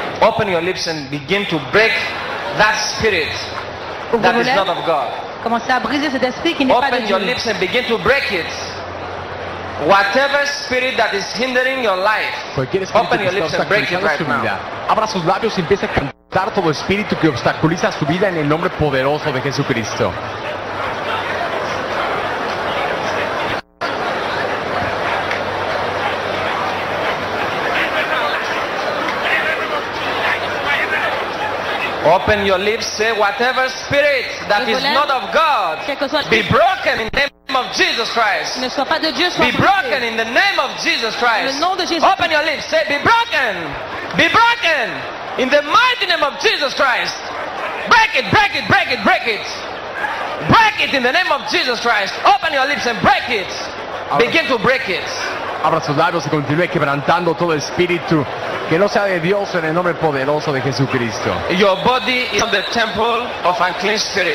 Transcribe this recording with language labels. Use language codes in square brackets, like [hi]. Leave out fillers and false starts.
[en] Open your lips and begin to break that spirit that is not of God. [fr] Commencez à briser cet esprit qui n'est pas de Dieu. [en] Open your lips and begin to break it. Whatever spirit that is hindering your life, open your lips and break it right now. [es] Abra sus labios y empieza a cantar todo espíritu que obstaculiza su vida en el nombre poderoso de Jesucristo. [en] Open your lips, say whatever spirit that is not of God, be broken in the name of Jesus Christ. Be broken in the name of Jesus Christ. Open your lips, say be broken. Be broken in the mighty name of Jesus Christ. Break it, break it, break it, break it. Break it in the name of Jesus Christ. Open your lips and break it. Begin to break it. [es] Abra sus labios y continúe quebrantando todo espíritu que no sea de Dios en el nombre poderoso de Jesucristo. [en] Your body is not the temple of unclean spirits.